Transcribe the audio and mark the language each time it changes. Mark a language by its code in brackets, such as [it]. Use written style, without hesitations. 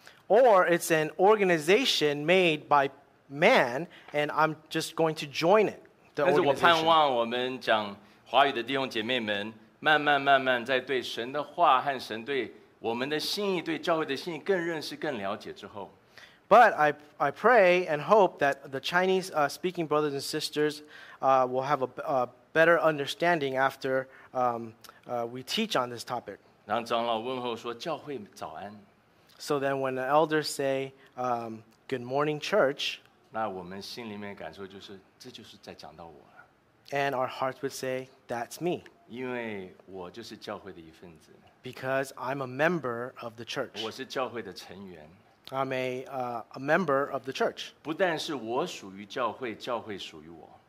[en] Or it's an organization made by man and I'm just going to join it [zh] 但是我盼望我们讲华语的弟兄姐妹们慢慢慢慢在对神的话和神对我们的心意对教会的心意更认识更了解之后 [en] But I pray and hope that the Chinese speaking brothers and sisters will have a better understanding after we teach on this topic. [zh] 然后长老问候说教会早安。 [en] So then when the elders say, good morning church, [zh] 那我们心里面感受就是这就是在讲到我。 [en] And our hearts would say, that's me. [zh] 因为我就是教会的一份子。 [en] Because I'm a member of the church. [zh] 我是教会的成员。 [en] I'm a member of the church. [zh] 不但是我属于教会，教会属于我。